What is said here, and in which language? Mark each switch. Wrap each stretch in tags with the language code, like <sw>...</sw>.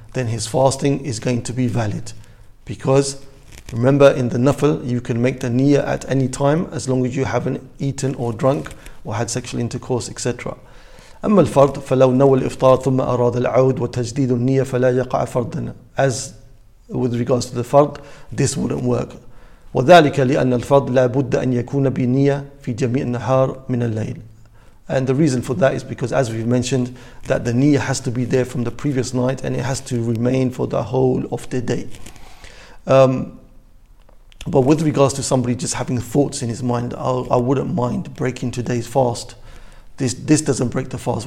<en>Then his fasting is going to be valid. Because, remember, in the nafl, you can make the niyyah at any time, as long as you haven't eaten or drunk, or had sexual intercourse, etc.</en> <ar>أَمَّا الْفَرْضِ فَلَوْ نَوَى الْإِفْطَارَ ثُمَّ أَرَادَ الْعَوْدِ وَتَجْدِيدُ النِّيَّةِ فَلَا يَقَعْ فَرْضًا.</ar> <en>As with regards to the fard, this wouldn't work.</en> <ar>وذلك لأن الفرض لابد أن يكون بنية في جميع النهار من الليل.</ar> <en>And the reason for that is because, as we've mentioned, that the niyyah has to be there from the previous night and it has to remain for the whole of the day. But with regards to somebody just having thoughts in his mind, I wouldn't mind breaking today's fast, this doesn't break the fast.</en>